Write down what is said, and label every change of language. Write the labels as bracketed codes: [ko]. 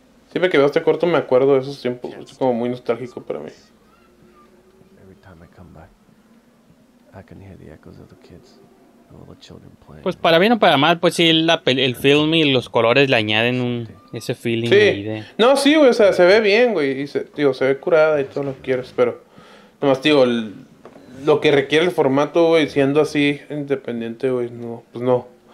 [es] Siempre que veo este corto me acuerdo de esos tiempos. Es como muy nostálgico para mí. [en] Every time I come back, I can hear the echoes of the kids, all the children playing. [es] Pues para bien o para mal, pues sí, el film y los colores le añaden ese feeling. Sí. No, sí, güey, o sea, se ve bien, güey. Y se ve curada y todo lo que quieres, pero... Nomás, digo, lo que requiere el formato, güey, siendo así, independiente, güey, no, pues no.